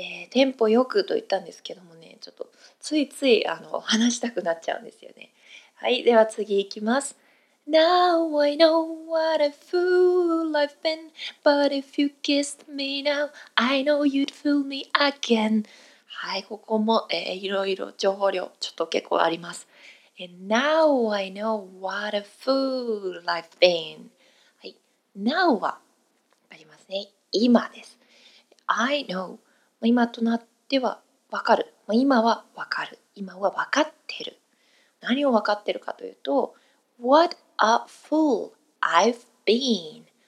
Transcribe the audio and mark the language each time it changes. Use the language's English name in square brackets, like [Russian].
[Japanese] テンポよくと言ったんですけどもね、ちょっとついつい話したくなっちゃうんですよね。はい、では次行きます。 [English] Now I know what a fool I've been, but if you kissed me now, I know you'd fool me again。 [Japanese] はい、ここも、いろいろ情報量ちょっと結構あります。 [English] Now I know what a fool I've been。 [Japanese] はい、 Now はありますね、今です。 [English] I know、 [Japanese] 今となってはわかる、今はわかる、今はわかってる。何を分かってるかというと、 [English] What a fool I've been。